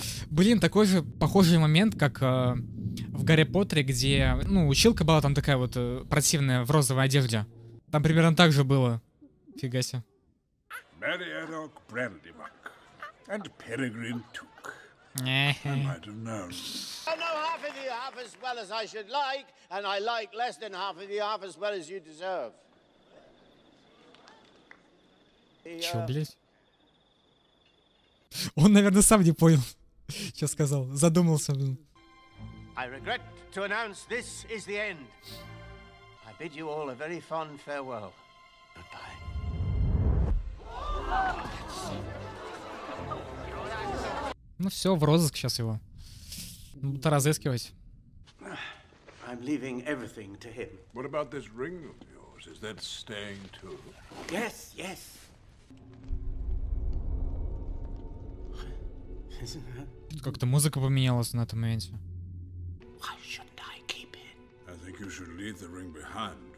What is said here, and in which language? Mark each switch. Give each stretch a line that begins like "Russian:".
Russian: Блин, такой же похожий момент, как в Гарри Поттере, где, ну, училка была там такая вот противная в розовой одежде. Там примерно так же было. Фига себе. Мэриэрок Брэндивак. И Перегрин Тук.
English: I might have known. I know half of you half as well as I should like, and I like less than half of you half as well as you deserve.
Russian: Чё, блядь? Он, наверное, сам не понял, что сказал. Задумался, блин.
English: I regret to announce this is the end. I bid you all a very fond farewell. Goodbye.
Russian: Ну все, в розыск сейчас его. Будто разыскивать.
English: I'm leaving everything to him. What about this ring of yours? Is that staying too? Yes, yes.
Russian: Тут как-то музыка поменялась на этом моменте.
English: Why shouldn't I keep it? I think you should leave the ring behind.